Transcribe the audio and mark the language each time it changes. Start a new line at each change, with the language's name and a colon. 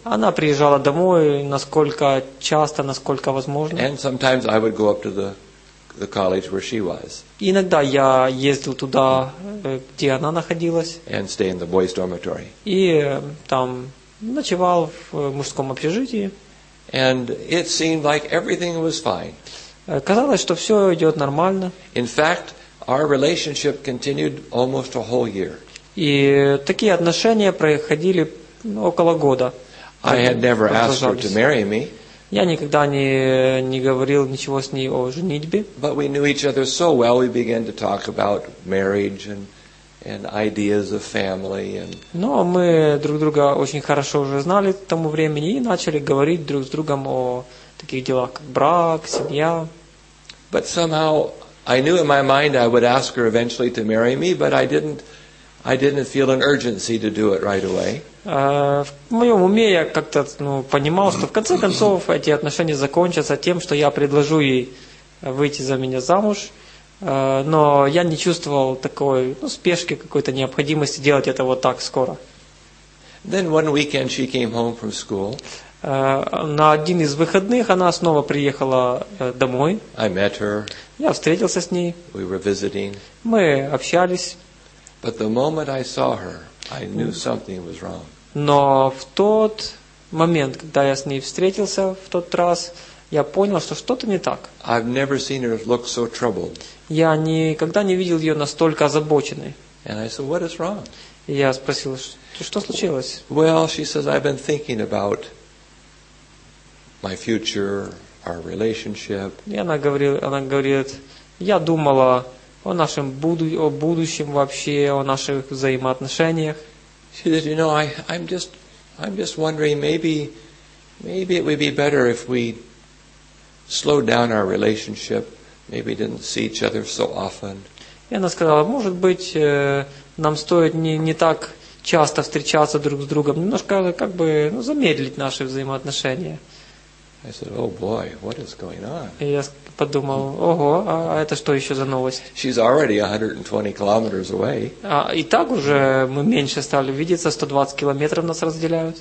Russian: Она приезжала домой насколько часто, насколько возможно.
English: And sometimes I would go up to the college where she was.
Russian: Иногда я ездил туда, где она находилась.
English: And stay in the boys' dormitory.
Russian: И там ночевал в мужском общежитии.
English: And it seemed like everything was fine.
Russian: Казалось, что все идет нормально.
English: In fact, our relationship continued almost a whole year.
Russian: И такие отношения проходили около года.
English: I had never asked her to marry me.
Russian: Я никогда не говорил ничего с ней о женитьбе.
English: But we knew each other so well, we began to talk about marriage and ideas of family.
Russian: Но мы друг друга очень хорошо уже знали к тому времени и начали говорить друг с другом о таких делах, как брак, семья.
English: But somehow, I knew in my mind I would ask her eventually to marry me, but I didn't feel an urgency to do it right away.
Russian: В моем уме я как-то, ну, понимал, что в конце концов эти отношения закончатся тем, что я предложу ей выйти за меня замуж, но я не чувствовал такой, ну, спешки, какой-то необходимости делать это вот так скоро.
English: Then one weekend she came home from school.
Russian: На один из выходных она снова приехала домой.
English: I met her.
Russian: Я встретился с ней.
English: We were visiting.
Russian: Мы общались.
English: But the moment I saw her, I knew something was wrong.
Russian: Но в тот момент, когда я с ней встретился в тот раз, я понял, что что-то не так.
English: I've never seen her look so troubled.
Russian: Я никогда не видел ее настолько озабоченной.
English: And I said, "What is wrong?"
Russian: И я спросил, что случилось?
English: Well, she says, "I've been thinking about my future, our relationship."
Russian: И она говорит, я думала о нашем о будущем вообще, о наших взаимоотношениях.
English: She said, "You know, I'm just wondering, maybe it would be better if we slowed down our relationship, maybe didn't see each other so often."
Russian: И она сказала, может быть, нам стоит не так часто встречаться друг с другом, немножко как бы, ну, замедлить наши взаимоотношения.
English: I said, "Oh boy, what is going on?"
Russian: И я подумал, ого, а это что еще за новость?
English: She's already 120 kilometers away.
Russian: А и так уже мы меньше стали видеться, 120 километров нас разделяют.